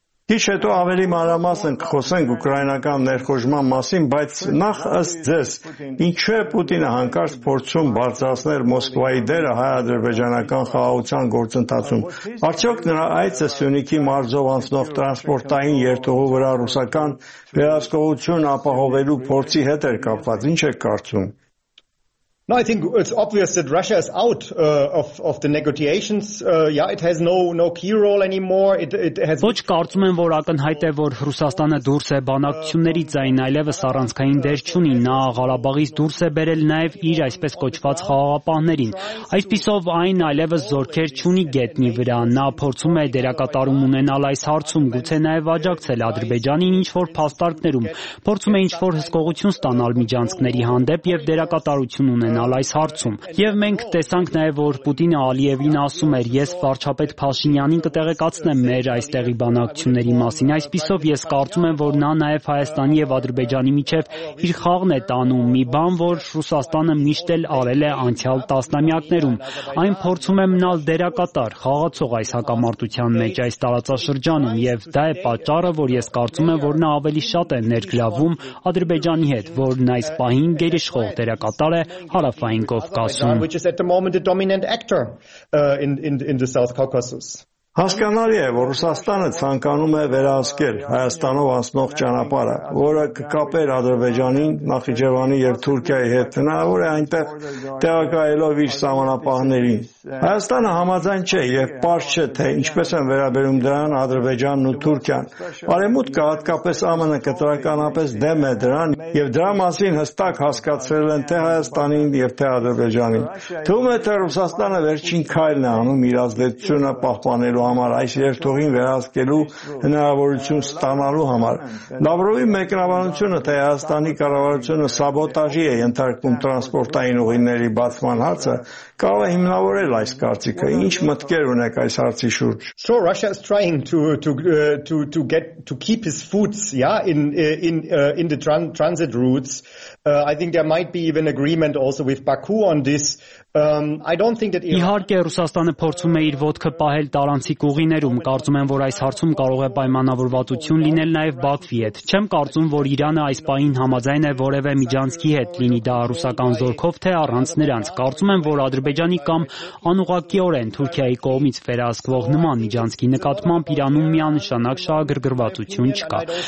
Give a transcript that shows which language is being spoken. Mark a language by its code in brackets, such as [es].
[hy] Քիչ հետո ավելի մանրամասն կխոսենք ուկրաինական ներխուժման մասին, բայց նախ ըստ ձեզ, ինչու է Պուտինը հանկարծ փորձում բարձրացնել Մոսկվայի դերը հայ-ադրբեջանական խաղաղության գործընթացում։ Արդյոք նրա այցը Սյունիքի մարզով անցնող տրանսպորտային երթուղու վրա ռուսական վերահսկողություն ապահովելու փորձի հետ էր կապված, ինչ եք կարծում։ [en] No, I think it's obvious that Russia is out of the negotiations. It has no key role anymore. It has [hy] Ոչ կարծում եմ, որ ակնհայտ է, որ Ռուսաստանը դուրս է բանակցությունների ձայն, այլևս առանցքային դեր չունի։ Նա Ղարաբաղից դուրս է բերել նաև իր այսպես կոչված խաղապահներին, այսպիսով այն այլևս զորքեր չունի գետնի վրա։ Նա փորձում է դերակատարում ունենալ այս հարցում, գուցե նաև աջակցել Ադրբեջանին ինչ-որ փաստարկներում, փորձում է ինչ-որ հսկողություն ստանալ միջանցքների հանդեպ և դերակատարություն ունենալ այս հարցում։ Եվ մենք տեսանք նաև, որ Պուտինը Ալիևին ասում էր, ես վարչապետ Փաշինյանին կտեղեկացնեմ մեր այստեղի բանակցությունների մասին, այսպիսով ես կարծում եմ, որ նա նաև Հայաստանի և Ադրբեջանի միջև իր խաղն է տանում, մի բան, որ Ռուսաստանը միշտ էլ արել է անցյալ տասնամյակներում, այն փորձում է մնալ դերակատար, խաղացող այս հակամարտության մեջ այս տարածաշրջանում, և դա է պատճառը, որ ես կարծում եմ, որ նա ավելի շատ է ներգրավում Ադրբեջանի հետ, որն այս պահին գերիշխող դերակատար է Հարավային Կովկասում, [en] which is at the moment the dominant actor in the South Caucasus. [hy] Հասկանալի է, որ Ռուսաստանը ցանկանում է վերահսկել Հայաստանով անցնող ճանապարհը, որը կկապեր Ադրբեջանի, Նախիջևանի եւ Թուրքիայի հետ, հնարավոր է այնտեղ տեղակայելով իր սահմանապահներին։ Հայաստանը համաձայն չէ եւ պարզ չէ, թե ինչպես են վերաբերում դրան Ադրբեջանն ու Թուրքիան։ Բարեմուտքը հատկապես ԱՄՆ-ն կտրականապես դեմ է դրան եւ դրա մասին հստակ հասկացրել են թե Հայաստանին եւ թե Ադրբեջանին։ Թվում է, թե Ռուսաստանը վերջին քայլն է անում իր ազդեցությունը պահպանելու համար, այս երթուղին վերահսկելու հնարավորություն ստանալու համար։ Լավրովի մեկնաբանությունը, թե Հայաստանի կառավարությունը սաբոտաժի է ենթարկում տրանսպորտային ուղիների բացման հարցը, կարող է հիմնավորել այս կարծիքը։ Ինչ մտքեր ունեք այս հարցի շուրջ։ [en] So Russia is trying to keep his foots, yeah, in the transit routes. I think there might be even agreement also with Baku on this. I don't think that [hy] Իհարկե Ռուսաստանը փորձում է իր ոտքը պահել տարանցիկ ուղիներում, կարծում եմ, որ այս հարցում կարող է պայմանավորվածություն լինել նաև Բաքվի հետ։ Չեմ կարծում, որ Իրանը այս պահին համաձայն է որևէ միջանցքի հետ, լինի դա ռուսական զորքով թե առանց նրանց։ Կարծում եմ, որ Ադրբեջանի կամ անուղակիորեն Թուրքիայի կողմից վերահսկվող նման միջանցքի նկատմամբ Իրանում միանշանակ շահագրգռվածություն չկա։